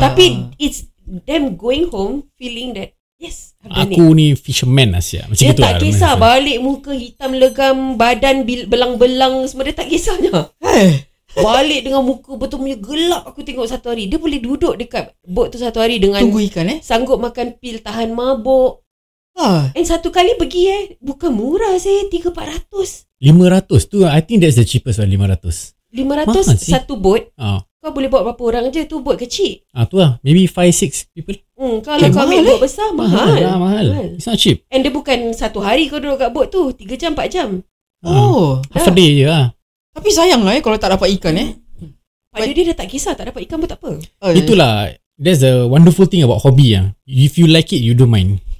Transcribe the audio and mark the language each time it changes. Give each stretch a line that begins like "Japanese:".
Malay: Tapi
English: it's them going home feeling that, yes.
Malay: Aku ni fisherman lah siap. Dia tak kisah balik muka hitam legam, badan belang-belang semua, dia tak kisahnya. Balik dengan muka betul punya gelap aku tengok satu hari. Dia boleh duduk dekat bot tu satu hari dengan tunggu ikan sanggup makan pil tahan mabuk. And satu kali pergi bukan murah sih, 300-400.
English: 500 tu, I think that's the cheapest one, 500.
Malay: 500 satu bot. Kau boleh bawa berapa orang je tu, bot kecil. Tu lah,
English: maybe 5-6 people.
Malay: Kalau kau ambil bot besar, mahal. Mahal.
English: It's not cheap.
Malay: And dia bukan satu hari kau duduk kat bot tu, 3-4 jam.
English: Half a day
Malay: je lah. Tapi sayang lah kalau tak dapat ikan Pada dia tak kisah, tak dapat ikan pun tak apa. Itulah,
English: that's the wonderful thing about hobby If you like it, you don't mind.